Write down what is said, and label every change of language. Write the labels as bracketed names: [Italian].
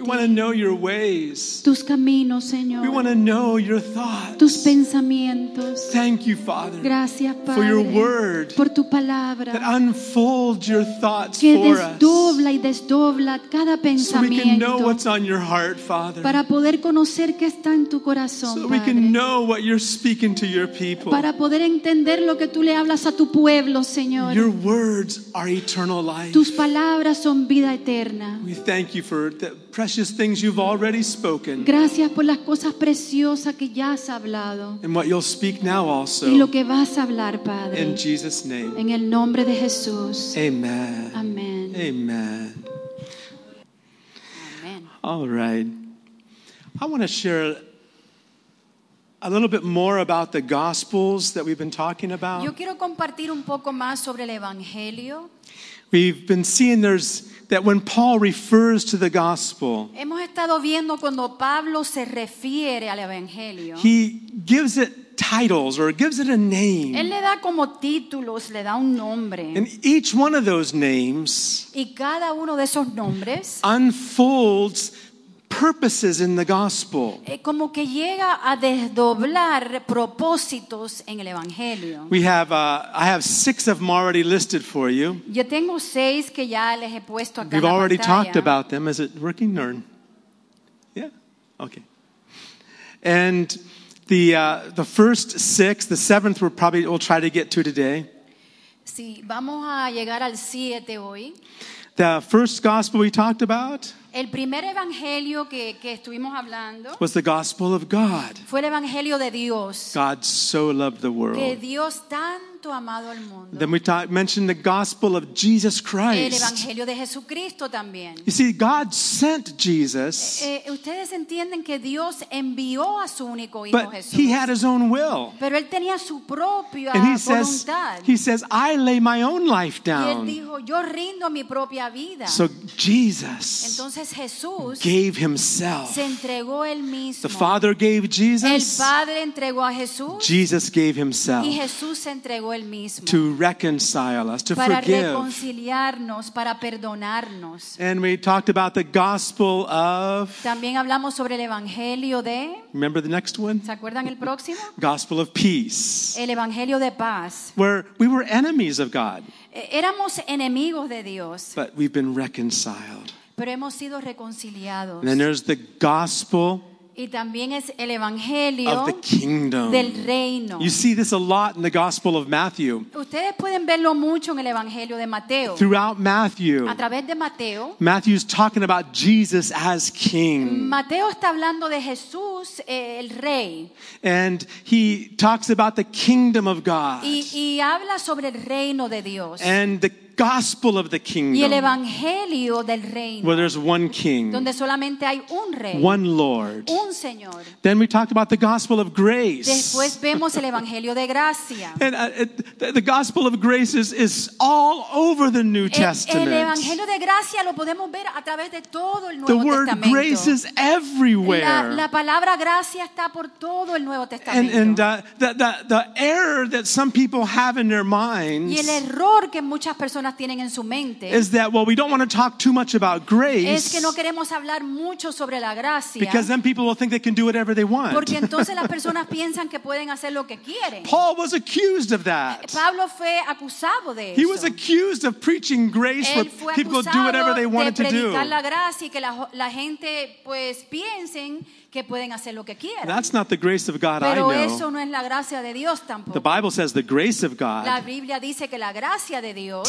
[English] We want to know your ways. [Spanish] Tus caminos, Señor. [English] We want to know your thoughts. [Spanish] Tus pensamientos. [English] Thank you, Father. [Spanish] Gracias, Padre. [English] For your word. [Spanish] Por tu palabra. [English] That unfolds your thoughts for us. [Spanish] Que desdobla y desdobla cada pensamiento. [English] So we can know what's on your heart, Father. [Spanish] Para poder conocer qué está en tu corazón, [English] so [Spanish] Padre. [English] So we can know what you're speaking to your people. [Spanish] Para poder entender lo que tú le hablas a tu pueblo, Señor. [English] Your words are eternal life. [Spanish] Tus palabras son vida eterna. [English] We thank you for the precious things you've already spoken. [Spanish] Gracias por las cosas preciosas que ya has hablado. [English] And what you'll speak now also. [Spanish] Y lo que vas a hablar, Padre. [English] In Jesus' name. [Spanish] En el nombre de Jesús. [English] Amen. Amen. Amen. Amen. All right. I want to share a little bit more about the Gospels that we've been talking about. [Spanish] Yo quiero compartir un poco más sobre el Evangelio. [English] We've been seeing there's that when Paul refers to the gospel, [Spanish] hemos estado viendo cuando Pablo se refiere al evangelio, [English] he gives it titles or gives it a name. [Spanish] Él le da como títulos, le da un nombre. [English] And each one of those names, [Spanish] y cada uno de esos nombres, [English] unfolds purposes in the gospel. [Spanish] Como que llega a desdoblar propósitos en el evangelio. [English] We have I have six of them already listed for you. [Spanish] Yo tengo seis que ya les he puesto acá. [English] We've already [Spanish] pantalla. [English] Talked about them. Is it working, Nern? Yeah. Okay. And the first six, the seventh we'll try to get to today. [Spanish] Sí, vamos a llegar al siete hoy. [English] The first gospel we talked about, [Spanish] el primer evangelio que estuvimos hablando, [English] was the gospel of God. [Spanish] Fue el evangelio de Dios. [English] God so loved the world. [Spanish] Que Dios tanto amado al mundo. [English] Then we mentioned the gospel of Jesus Christ. [Spanish] El evangelio de Jesucristo también. [English] You see, God sent Jesus. [Spanish] Ustedes entienden que Dios envió a su único hijo [English] but [Spanish] Jesús. [English] But he had his own will. [Spanish] Pero él tenía su propia voluntad. [English] He says, I lay my own life down. [Spanish] Y él dijo, yo rindo mi propia vida. [English] So Jesus. [Spanish] Entonces Jesús [English] gave himself. [Spanish] Se entregó él mismo. [English] The Father gave Jesus. [Spanish] El Padre entregó a Jesús. [English] Jesus gave himself. [Spanish] Y Jesús se entregó él mismo. [English] To reconcile us, to [Spanish] para [English] forgive. [Spanish] Para reconciliarnos, para perdonarnos. [English] And we talked about the gospel of. [Spanish] También hablamos sobre el evangelio de. [English] Remember the next one? [Spanish] ¿Se acuerdan el próximo? [English] Gospel of peace. [Spanish] El evangelio de paz. [English] Where we were enemies of God. [Spanish] Éramos enemigos de Dios. [English] But we've been reconciled. [Spanish] Pero hemos sido reconciliados. [English] And then there's the gospel. [Spanish] Y también es el evangelio [English] of the kingdom. [Spanish] Del reino. [English] You see this a lot in the gospel of Matthew. [Spanish] Ustedes pueden verlo mucho en el evangelio de Mateo. [English] Throughout Matthew. [Spanish] A través de Mateo. [English] Matthew's talking about Jesus as king. [Spanish] Mateo está hablando de Jesús, el rey. [English] And he talks about the kingdom of God. [Spanish] Y habla sobre el reino de Dios. [English] And the gospel of the kingdom. [Spanish] Y el evangelio del reino. [English] Where there's one king. [Spanish] Donde solamente hay un rey. [English] One Lord. [Spanish] Un Señor. [English] Then we talked about the gospel of grace. [Spanish] Después vemos el evangelio de gracia. [English] And the gospel of grace is all over the New Testament. [Spanish] El evangelio de gracia lo podemos ver a través de todo el Nuevo Testamento. [English] The word grace is everywhere. [Spanish] La palabra gracia está por todo el Nuevo Testamento. [English] And the error that some people have in their minds. [Spanish] Y el error que muchas personas tienen en su mente. [English] Is that well? We don't want to talk too much about grace. [Spanish] Es que no queremos hablar mucho sobre la gracia. [English] Because then people will think they can do whatever they want. [Spanish] Porque entonces las personas piensan que pueden hacer lo que quieren. [English] Paul was accused of that. [Spanish] Pablo fue acusado de eso. [English] He was accused of preaching grace where people could do whatever they wanted to do. [Spanish] De predicar la gracia y que la gente pues piensen que pueden hacer lo que quieran. [English] That's not the grace of God. [Spanish] Pero [English] I know. [Spanish] Pero eso no es la gracia de Dios tampoco. [English] The Bible says the grace of God. [Spanish] La Biblia dice que la gracia de Dios